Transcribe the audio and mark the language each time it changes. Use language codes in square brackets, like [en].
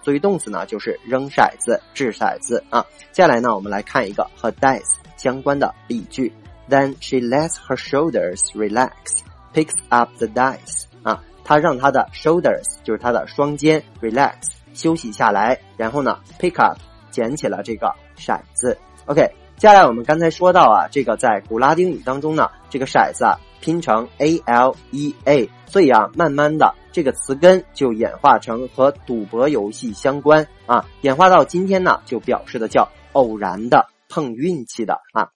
[zh] 作为动词呢，就是扔骰子、掷骰子啊。接下来呢，我们来看一个和 dice 相关的例句。 [en] Then she lets her shoulders relax, picks up the dice [zh] 啊，她让她的 shoulders 就是她的双肩 relax 休息下来，然后呢 pick up 捡起了这个骰子。 OK， 接下来我们刚才说到啊，这个在古拉丁语当中呢，这个骰子啊拼成 ALEA， 所以啊，慢慢的这个词根就演化成和赌博游戏相关啊，演化到今天呢，就表示的叫偶然的、碰运气的啊。